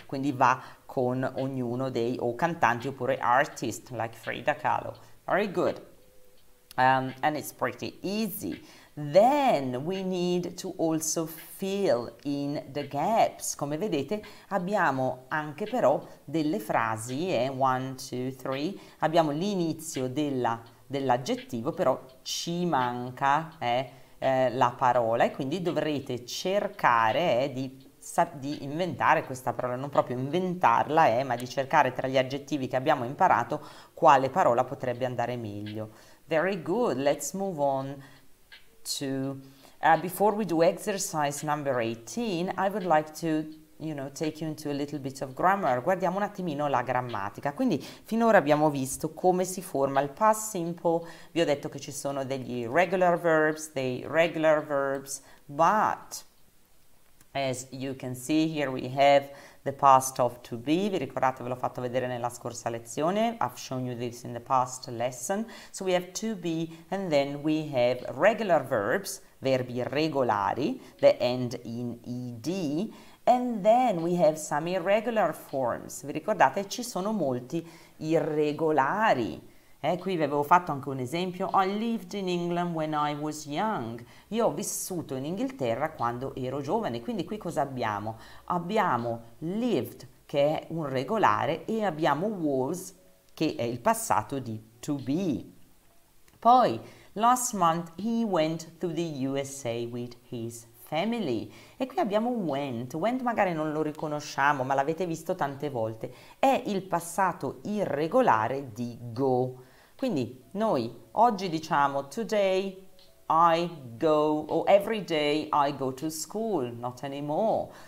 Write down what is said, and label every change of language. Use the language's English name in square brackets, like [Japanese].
[Italian] Quindi va con ognuno dei o cantanti oppure [English] artist like Frida Kahlo. Very good. And it's pretty easy. Then we need to also fill in the gaps. [Italian] Come vedete, abbiamo anche però delle frasi, 1, 2, 3. Abbiamo l'inizio dell'aggettivo, però ci manca la parola e quindi dovrete cercare di inventare questa parola, non proprio inventarla, ma di cercare tra gli aggettivi che abbiamo imparato quale parola potrebbe andare meglio. [English] Very good, let's move on to, before we do exercise number 18, I would like to, you know, take you into a little bit of grammar. [Italian] Guardiamo un attimino la grammatica. Quindi, finora abbiamo visto come si forma il past simple. Vi ho detto che ci sono degli [English] irregular verbs, dei regular verbs, but as you can see here we have the past of to be. [Italian] Vi ricordate, ve l'ho fatto vedere nella scorsa lezione. [English] I've shown you this in the past lesson. So we have to be and then we have regular verbs, [Italian] verbi regolari, [English] that end in ed. And then we have some irregular forms. [Italian] Vi ricordate, ci sono molti irregolari. Qui vi avevo fatto anche un esempio. [English] I lived in England when I was young. [Italian] Io ho vissuto in Inghilterra quando ero giovane. Quindi qui cosa abbiamo? Abbiamo lived, che è un regolare, e abbiamo was, che è il passato di to be. [English] Poi, last month he went to the USA with his family. [Italian] E qui abbiamo went. Went magari non lo riconosciamo, ma l'avete visto tante volte. È il passato irregolare di go. Quindi noi oggi diciamo [English] today I go o every day I go to school, not anymore.